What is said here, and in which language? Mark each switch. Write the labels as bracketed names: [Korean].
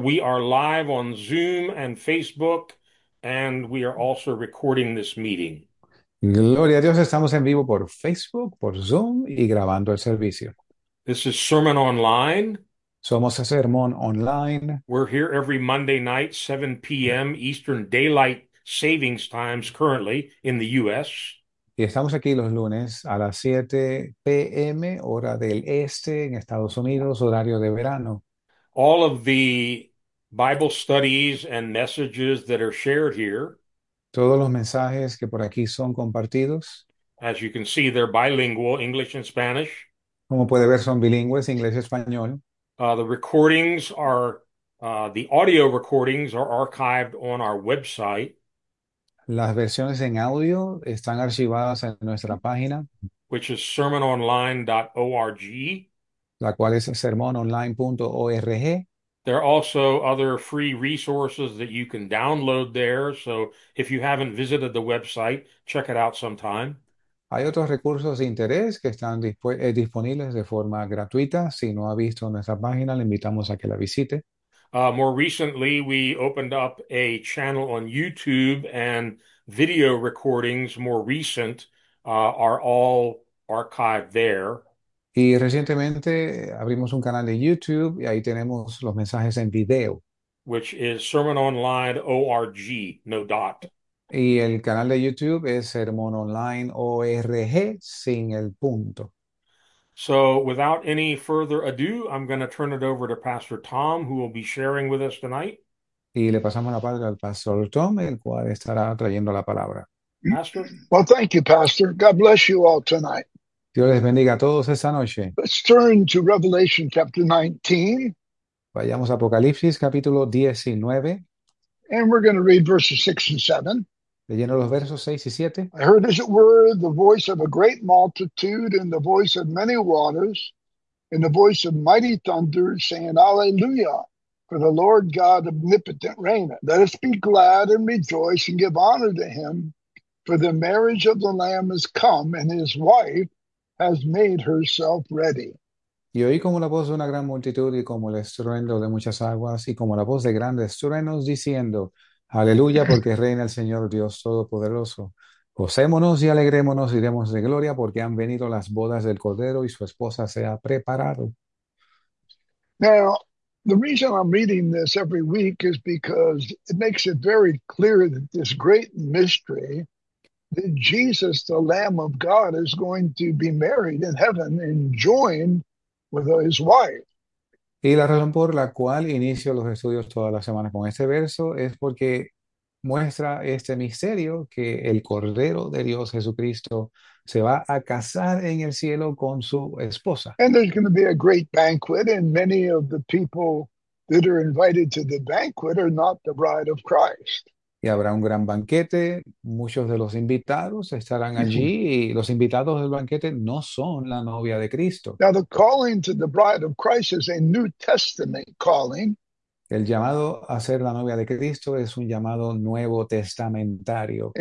[English] We are live on Zoom and Facebook, and we are also recording this meeting. [Spanish] Gloria a Dios, estamos en vivo por Facebook, por Zoom y grabando el servicio. [English] This is Sermon Online. [Spanish] Somos a sermón online. [English] We're here every Monday night, 7 p.m. Eastern Daylight Savings Times currently in the U.S. [Spanish] Y estamos aquí los lunes a las 7 p.m., hora del este en Estados Unidos, horario de verano. [English] All of the Bible studies and messages that are shared here, [Spanish] Todos los mensajes que por aquí son compartidos, [English] as you can see, they're bilingual, English and Spanish. [Spanish] como puede ver, son bilingües, inglés y español. [English] The recordings are, the audio recordings are archived on our website, [Spanish] Las versiones en audio están archivadas en nuestra página, [English] which is sermononline.org. [Spanish] la cual es sermononline.org. [English] There are also other free resources that you can download there. So if you haven't visited the website, check it out sometime. [Spanish] Hay otros recursos de interés que están disponibles de forma gratuita. Si no ha visto nuestra página, le invitamos a que la visite. [English] More recently, we opened up a channel on YouTube, and video recordings, more recent, are all archived there. [Spanish] Y recientemente abrimos un canal de YouTube y ahí tenemos los mensajes en video. [English] Which is sermononline.org, no dot. [Spanish] Y el canal de YouTube es Sermón Online ORG sin el punto. [English] So, without any further ado, I'm going to turn it over to Pastor Tom, who will be sharing with us tonight. [Spanish] Y le pasamos la palabra al Pastor Tom, el cual estará trayendo la palabra. [English] Pastor. Well, thank you, Pastor. God bless you all tonight. [Spanish] Dios les bendiga a todos esta noche. [English] Let's turn to Revelation chapter 19. [Spanish] Vayamos a Apocalipsis capítulo 19. [English] And we're going to read verses 6 and 7. [Spanish] Leyendo los versos 6 y 7. [English] I heard, as it were, the voice of a great multitude, and the voice of many waters, and the voice of mighty thunder, saying, Alleluia, for the Lord God omnipotent reigneth. Let us be glad and rejoice and give honor to him, for the marriage of the Lamb has come, and his wife has made herself ready. [Spanish] Y oí como la voz de una gran multitud y como el estruendo de muchas aguas y como la voz de grandes truenos diciendo: Aleluya, porque reina el Señor Dios Todopoderoso. Gocémonos y alegrémonos y demos de gloria, porque han venido las bodas del Cordero y su esposa se ha preparado. [English] Now, the reason I'm reading this every week is because it makes it very clear that this great mystery that Jesus, the Lamb of God, is going to be married in heaven and joined with his wife. [Spanish] Y la razón por la cual inicio los estudios toda la semana con este verso es porque muestra este misterio que el Cordero de Dios Jesucristo se va a casar en el cielo con su esposa. [English] And there's going to be a great banquet, and many of the people that are invited to the banquet are not the bride of Christ. [Spanish] Y habrá un gran banquete, muchos de los invitados estarán allí y los invitados del banquete no son la novia de Cristo. [English] Now, the calling to the bride of Christ is a New Testament calling. [Spanish] El llamado a ser la novia de Cristo es un llamado nuevo testamentario.